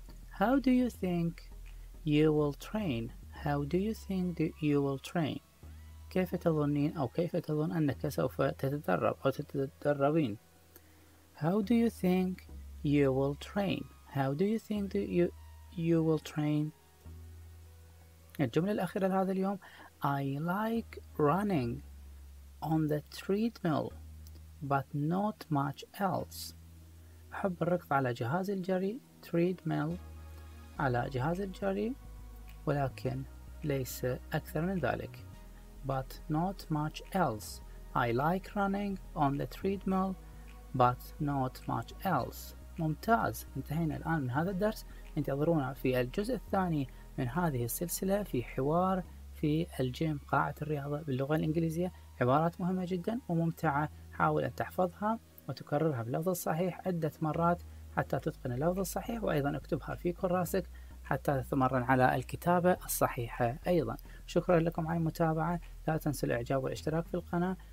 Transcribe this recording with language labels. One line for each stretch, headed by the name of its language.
English: How do you think you will train? How do you think you will train?
Arabic: كيف تظنين أو كيف تظن أنك سوف تتدرب أو تتدربين؟
English: How do you think you will train? How do you think you will train?
Arabic: الجملة الأخيرة لهذا اليوم.
English: I like running on the treadmill but not much else.
Arabic: أحب الركض على جهاز الجري treadmill، على جهاز الجري، ولكن ليس أكثر من ذلك.
English: But not much else. I like running on the treadmill, but not much else.
Arabic: ممتاز. انتهينا الآن من هذا الدرس. انتظرونا في الجزء الثاني من هذه السلسلة في حوار في الجيم، قاعة الرياضة باللغة الإنجليزية. عبارات مهمة جدا وممتعة. حاول أن تحفظها وتكررها باللفظ الصحيح عدة مرات حتى تتقن اللفظ الصحيح، وأيضا اكتبها في كراسك حتى تتمرن على الكتابة الصحيحة أيضا. شكرا لكم على المتابعة، لا تنسوا الإعجاب والاشتراك في القناة،